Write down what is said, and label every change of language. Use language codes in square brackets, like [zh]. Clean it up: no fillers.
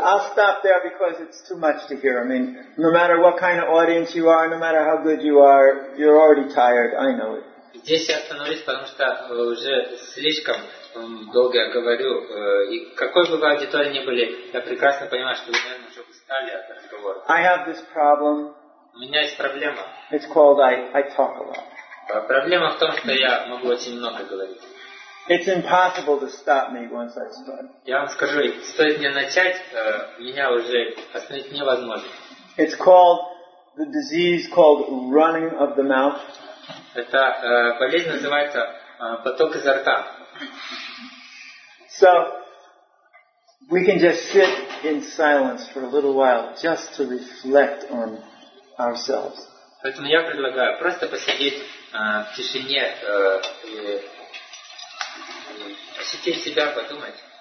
[en] I'll stop there because it's too much to hear. I mean, no matter what kind of audience you are, no matter how good you are, you're already tired. I know it. [ru] Здесь я остановлюсь, потому что уже слишком долго я говорю, и какой бы вы аудитории ни были, я прекрасно понимаю, что вы, наверное, уже устали от разговора. [en] I have this problem. [ru] У меня есть проблема. [en] It's called I talk a lot. [ru] Проблема в том, что я могу очень много говорить. [en] It's impossible to stop me once I start. [ru] Я вам скажу, стоит мне начать, меня уже остановить невозможно. [en] It's called the disease called running of the mouth. [ru] Это болезнь называется поток изо рта. [en] So we can just sit in silence for a little while just to reflect on ourselves. [ru] Поэтому я предлагаю просто посидеть в тишине и ощутить себя, подумать.